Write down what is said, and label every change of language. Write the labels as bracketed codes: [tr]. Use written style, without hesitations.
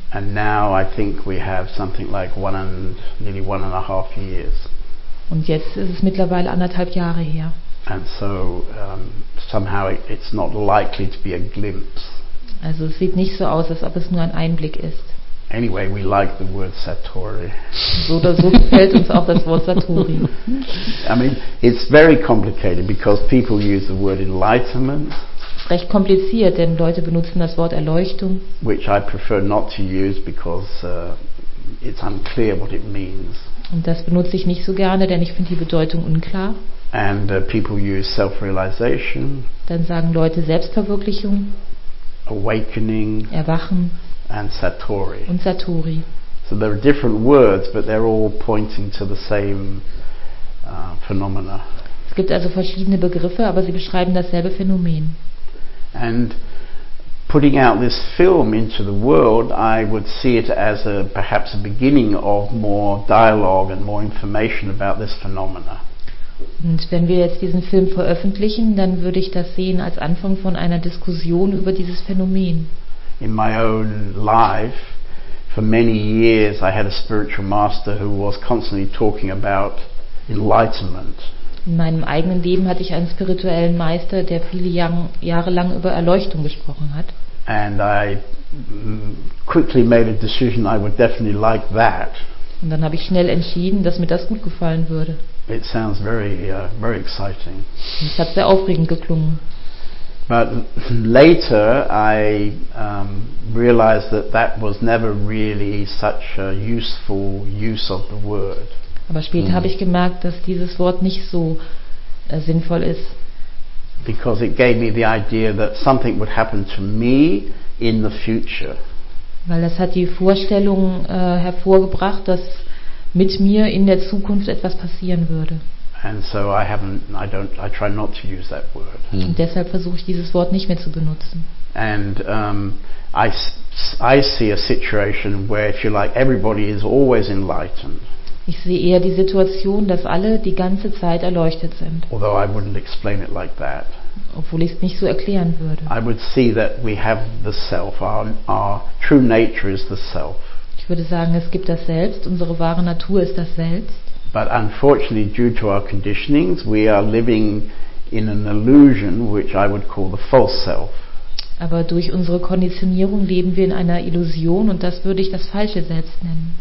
[en] And now I think we have something like nearly one and a half years. [de] Und jetzt ist es mittlerweile 1,5 Jahre her. [en] And so somehow it's not likely to be a glimpse. [de] Also es sieht nicht so aus, als ob es nur ein Einblick ist. [en] Anyway, we like the word Satori. [de] So oder so gefällt uns auch das Wort Satori. [en] I mean, it's very complicated because people use the word enlightenment. [de] Recht kompliziert, denn Leute benutzen das Wort Erleuchtung. [en] Which I prefer not to use because it's unclear what it means. [de] Und das benutze ich nicht so gerne, denn ich finde die Bedeutung unklar. [en] And people use self-realization. [de] Dann sagen Leute Selbstverwirklichung. [en] Awakening. [de] Erwachen. [en] And Satori. [de] Und Satori. [en] So there are different words, but they're all pointing to the same phenomena. [de] Es gibt also verschiedene Begriffe, aber sie beschreiben dasselbe Phänomen. [en] And putting out this film into the world, I would see it as a perhaps a beginning of more dialogue and more information about this phenomena. [de] Und wenn wir jetzt diesen Film veröffentlichen, dann würde ich das sehen als Anfang von einer Diskussion über dieses Phänomen. [en] In my own life, for many years, I had a spiritual master who was constantly talking about enlightenment. [de] In meinem eigenen Leben hatte ich einen spirituellen Meister, der viele Jahre lang über Erleuchtung gesprochen hat. [en] And I quickly made a decision I would definitely like that. [de] Und dann habe ich schnell entschieden, dass mir das gut gefallen würde. [en] It sounds very very exciting. [de] Es hat sehr aufregend geklungen. [en] But later I realized that that was never really such a useful use of the word. [de] Aber später habe ich gemerkt, dass dieses Wort nicht so sinnvoll ist. [en] Because it gave me the idea that something would happen to me in the future. [de] Weil das hat die Vorstellung hervorgebracht, dass mit mir in der Zukunft etwas passieren würde. [en] And so I try not to use that word. [de] Und deshalb versuche ich dieses Wort nicht mehr zu benutzen. [en] And I see a situation where, if you like, everybody is always enlightened. [de] Ich sehe eher die Situation, dass alle die ganze Zeit erleuchtet sind. [en] Although I wouldn't explain it like that. [de] Obwohl ich es nicht so erklären würde. [en] I would see that we have the self. Our true nature is the self. [de] Ich würde sagen, es gibt das Selbst. Unsere wahre Natur ist das Selbst. [en] But unfortunately, due to our conditionings, we are living in an illusion, which I would call the false self. [de] Aber durch unsere Konditionierung leben wir in einer Illusion, und das würde ich das falsche Selbst nennen.